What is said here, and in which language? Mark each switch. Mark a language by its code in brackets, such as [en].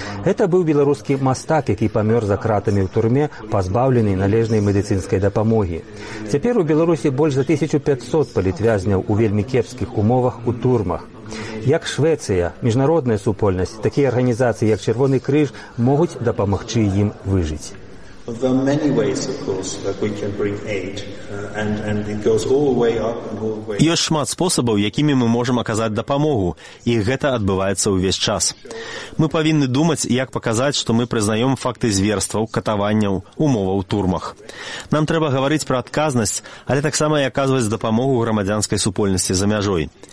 [be] Гэта быў беларускі мастак, які памёр за кратамі ў турме, пазбаўлены належнай медыцынскай дапамогі. Цяпер у Беларусі больш за 1500 палітвязняў у вельмі кепскіх умовах у турмах. Як Швецыя, міжнародная супольнасць, такія арганізацыі, як Чырвоны крыж, могуць дапамагчы ім выжыць? [en] There are many ways, of course, that we can bring aid, and it goes all the way up and all the way. [be] Ёсць шмат спосабаў, якімі мы можам аказаць дапамогу, і гэта адбываецца ўвесь час. Мы павінны думаць, як паказаць, што мы прызнаём факты зверстваў, катаванняў, умоваў у турмах. Нам трэба гаварыць пра адказнасць, але таксама і аказваць дапамогу грамадзянскай супольнасці за мяжой.